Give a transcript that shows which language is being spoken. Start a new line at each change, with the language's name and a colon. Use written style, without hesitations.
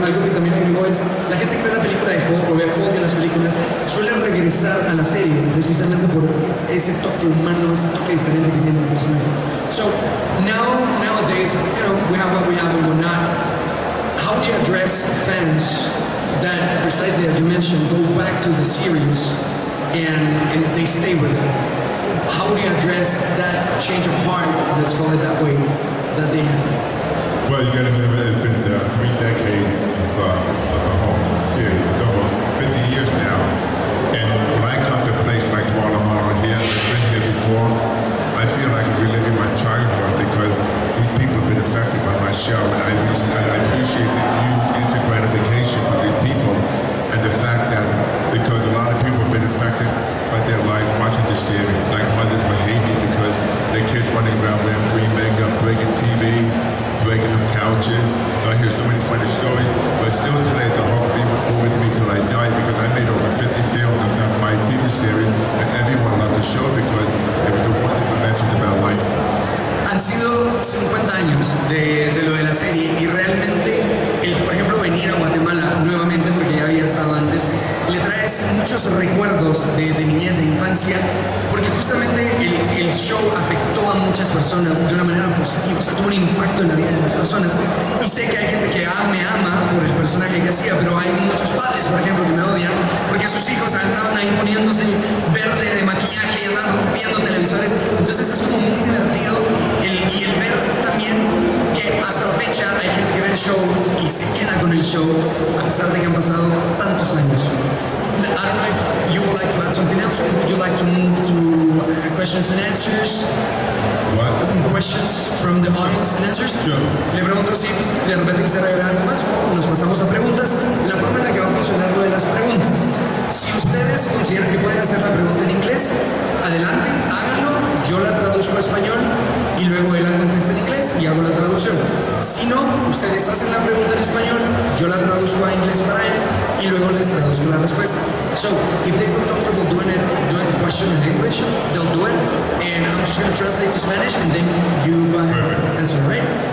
Spanish: Algo que también agregó es, la gente que ve la película de Hulk o ve Hulk en las películas suele regresar a la serie precisamente por ese toque humano, ese toque diferente que tiene el personaje.
English: So, nowadays, you know, we have what we have and we're not. How do you address fans that, precisely as you mentioned, go back to the series and they stay with it? How do you address that change of heart, let's call it that way, that they have? Well, you got to remember, it's been three decades of the Hulk series. It's over 50 years now. And when I come to a place like Guatemala here, I've been here before, I feel like I'm reliving my childhood because these people have been affected by my show. And I appreciate the huge instant gratification for these people. And the fact that, because a lot of people have been affected by their lives watching this series, like mothers with Haiti because their kids running around wearing green makeup, breaking TVs, breaking them couches. So I hear so many funny stories, but still today the Hulk will be with me till I die because I made over 50 films, I've done 5 TV series, and everyone loved the show because it was a wonderful legend about life.
Spanish: Han sido 50 años desde lo de la serie y realmente, por ejemplo, venir a Guatemala nuevamente porque ya había estado antes, le traes muchos recuerdos de niñez, de infancia, porque justamente el show afectó a muchas personas de una manera positiva, o sea, tuvo un impacto en la vida de las personas. Y sé que hay gente que me ama por el personaje que hacía, pero hay muchos padres, por ejemplo, que me odian porque sus hijos andaban ahí poniéndose verde de maquillaje y andaban rompiendo televisores. Entonces es como muy divertido. Y el ver también que hasta la fecha hay gente que ve el show y se queda con el show a pesar de que han pasado tantos años.
English: I don't know if you would like to add something else, or would you like to move to questions and answers? What? Questions from the audience and answers? Sure.
Spanish: Le pregunto si de repente quisiera agregar algo más o nos pasamos a preguntas. La forma en la que va a funcionar lo de las preguntas. Si ustedes consideran que pueden hacer la pregunta en inglés, adelante, háganlo. Yo la traduzco a español y luego él la contesta en inglés y hago la traducción. Si no, ustedes hacen la pregunta en español, yo la traduzco a inglés para él y luego les traduzco la respuesta.
English: So, if they feel comfortable doing the question in English, they'll do it. And I'm just going to translate to Spanish and then you go ahead and answer, right?